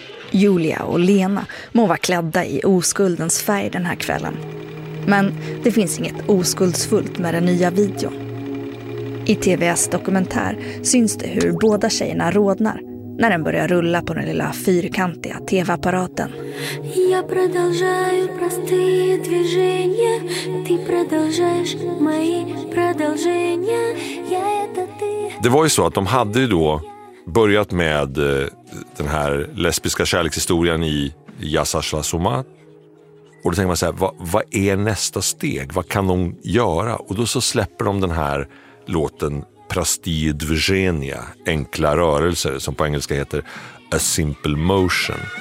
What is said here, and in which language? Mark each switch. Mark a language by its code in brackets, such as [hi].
[sv] Julia och Lena må vara klädda i oskuldens färg den här kvällen. Men det finns inget oskuldsfullt med den nya videon. I TVS-dokumentär syns det hur båda tjejerna rodnar när den börjar rulla på den lilla fyrkantiga TV-apparaten. [ru] Jag продолжаю простые движения, ты продолжаешь мои продолжения. Я это ты. [sv] Det var ju så att de hade ju då börjat med den här lesbiska kärlekshistorien i Yasashla Soma. Och då tänker man så här, vad är nästa steg? Vad kan de göra? Och då så släpper de den här låten Prastie Dvigenia, enkla rörelser, som på engelska heter A Simple Motion.